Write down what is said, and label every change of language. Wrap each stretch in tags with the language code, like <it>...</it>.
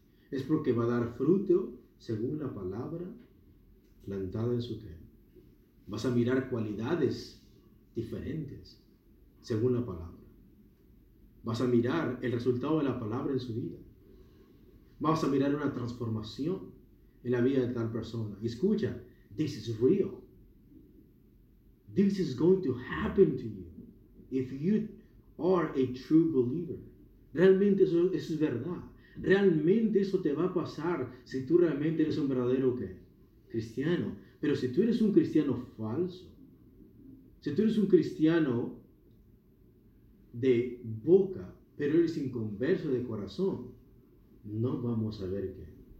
<es>Es porque va a dar fruto según la palabra plantada en su ¿qué? Vas a mirar cualidades diferentes según la palabra. Vas a mirar el resultado de la palabra en su vida. Vas a mirar una transformación en la vida de tal persona. Y escucha,</es> <en>this is real. This is going to happen to you if you are a true believer.</en> <es>Realmente eso es verdad. Realmente eso te va a pasar si tú realmente eres un verdadero ¿qué? Cristiano. Pero si tú eres un cristiano falso, si tú eres un cristiano de boca, pero eres inconverso de corazón, no vamos a ver ¿qué?</es>